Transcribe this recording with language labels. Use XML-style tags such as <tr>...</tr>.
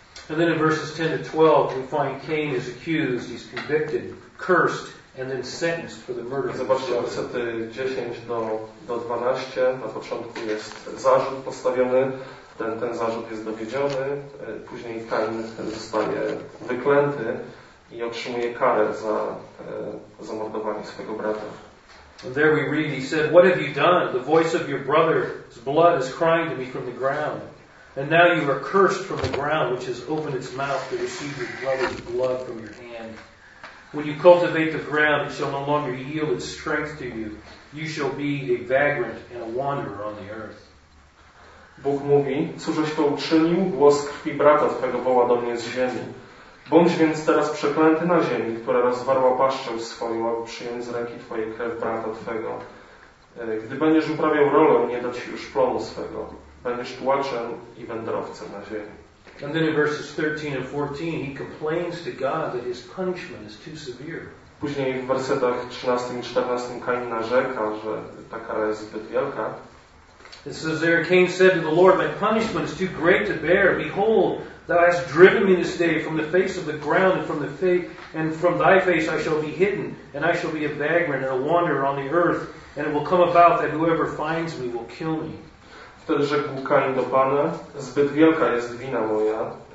<en>And then in verses 10 to 12, we find Cain is accused, he's convicted, cursed, and then sentenced for the murder.</en> <pl>Zobaczcie, wersety 10 do 12, na początku jest zarzut postawiony, ten zarzut jest dowiedziony, później Cain zostaje wyklęty i otrzymuje karę za mordowanie swojego brata.</pl> <en>And there we read, he said, what have you done? The voice of your brother's blood is crying to me from the ground. And now you are cursed from the ground, which has opened its mouth to receive your brother's blood from your hand. When you cultivate the ground, it shall no longer yield its strength to you. You shall be a vagrant and a wanderer on the earth.</en> <pl>Bóg mówi, cóżeś to uczynił? Głos krwi brata twego woła do mnie z ziemi. Bądź więc teraz przeklęty na ziemi, która rozwarła paszczę swoją, aby przyjąć z ręki twojej krew brata twego. Gdy będziesz uprawiał rolę, nie da ci już plonu swego. Będziesz tułaczem i wędrowcem na ziemi.</pl> <en>And then in verses 13 and 14 he complains to God that his punishment is too severe.</en> <pl>Później w wersetach 13 i 14 Kain narzeka, że ta kara jest zbyt wielka.</pl> <en>It says there, Cain said to the Lord, my punishment is too great to bear. Behold, thou hast driven me this day from the face of the ground and from thy face I shall be hidden, and I shall be a vagrant and a wanderer on the earth, and it will come about that whoever finds me will kill me.</en> <pl>Wtedy rzekł Kain do Pana, zbyt wielka jest wina moja.</pl>